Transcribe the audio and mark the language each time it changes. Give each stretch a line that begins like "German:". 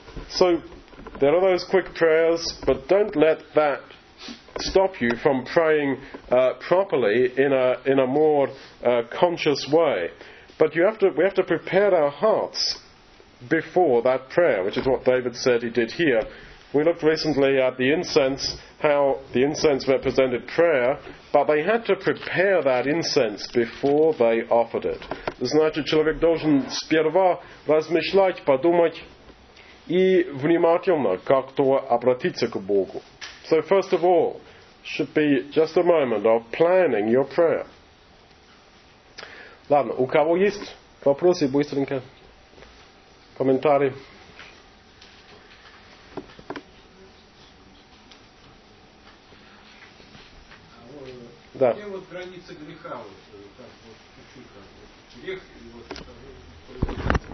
English: So, there are those quick prayers, but don't let that stop you from praying properly in a more conscious way. But we have to prepare our hearts before that prayer, which is what David said he did here. We looked recently at the incense, how the incense represented prayer, but they had to prepare that incense before they offered it.
Russian: Значит, человек должен сперва размышлять, подумать и внимательно как-то обратиться к Богу.
English: So first of all, should be just a moment of planning your prayer.
Russian: Ладно, у кого есть вопросы, быстренько, комментарии? Да. Где вот граница греха, вот, так вот, чуть-чуть, как вот, грех, и вот,